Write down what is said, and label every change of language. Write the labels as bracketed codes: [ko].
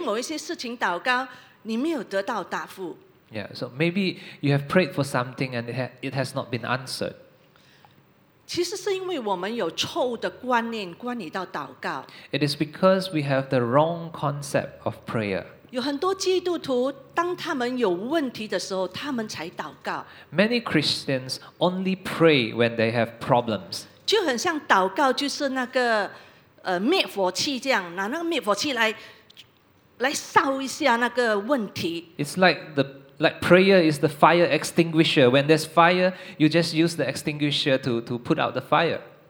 [zh] 或者是你为某一些事情祷告，你没有得到答复。 [en] Yeah, so maybe you have prayed for something and it has not been answered. [zh] 其实是因为我们有错误的观念关于到祷告。 [en] It is because we have the wrong concept of prayer. [zh] 有很多基督徒，当他们有问题的时候，他们才祷告。 [en] Many Christians only pray when they have problems. [zh] 就很像祷告就是那个。灭火器这样，拿那个灭火器来烧一下那个问题。 [en] It's like prayer is the fire extinguisher. When there's fire, you just use the extinguisher to put out the fire.